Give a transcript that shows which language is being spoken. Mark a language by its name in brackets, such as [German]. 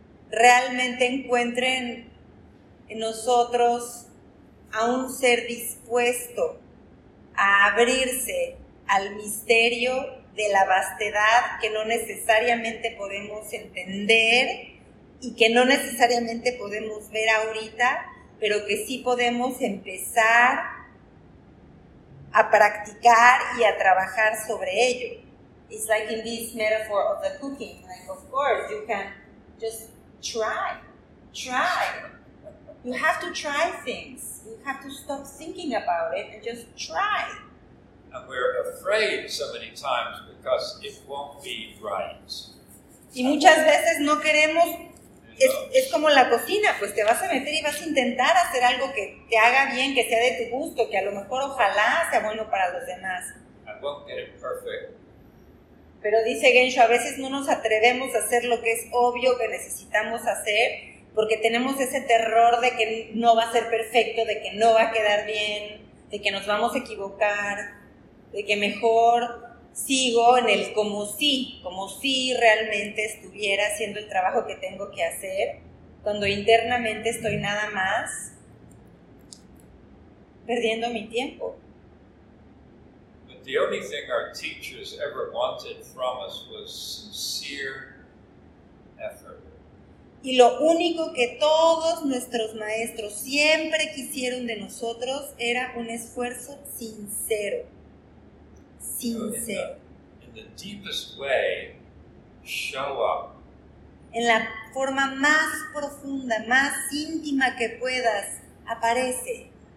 [Spanish] realmente encuentren en nosotros a un ser dispuesto a abrirse al misterio de la vastedad que no necesariamente podemos entender y que no necesariamente podemos ver ahorita, pero que sí podemos empezar a practicar y a trabajar sobre ello. [English] It's like in this metaphor of the cooking, like of course you can just try. You have to try things. You have to stop thinking about it and just try. And we're afraid so many times because it won't be right. [Spanish] Y muchas veces no queremos, es como la cocina, pues te vas a meter y vas a intentar hacer algo que te haga bien, que sea de tu gusto, que a lo mejor ojalá sea bueno para los demás. [English] I won't get it perfect. [Spanish] Pero dice Gensho, a veces no nos atrevemos a hacer lo que es obvio que necesitamos hacer porque tenemos ese terror de que no va a ser perfecto, de que no va a quedar bien, de que nos vamos a equivocar, de que mejor sigo en el como si realmente estuviera haciendo el trabajo que tengo que hacer, cuando internamente estoy nada más perdiendo mi tiempo. [English] But the only thing our teachers ever wanted from us was sincere effort. [Spanish] Y lo único que todos nuestros maestros siempre quisieron de nosotros era un esfuerzo sincero. [English] In the deepest way, show up. [Spanish] En la forma más profunda, más íntima que puedas, aparece.